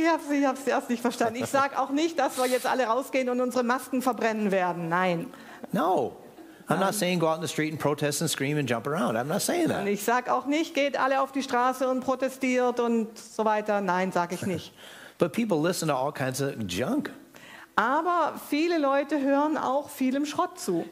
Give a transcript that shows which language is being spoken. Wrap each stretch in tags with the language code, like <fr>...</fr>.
<de>Ich hab's erst nicht verstanden. Ich sag auch nicht, dass wir jetzt alle rausgehen und unsere Masken verbrennen werden. Nein.</de> <en>No. I'm not saying go out in the street and protest and scream and jump around. I'm not saying that.</en> <de>Und ich sag auch nicht, geht alle auf die Straße und protestiert und so weiter. Nein, sag ich nicht.</de> <en>But people listen to all kinds of junk.</en> <de>Aber viele Leute hören auch vielem Schrott zu.</de>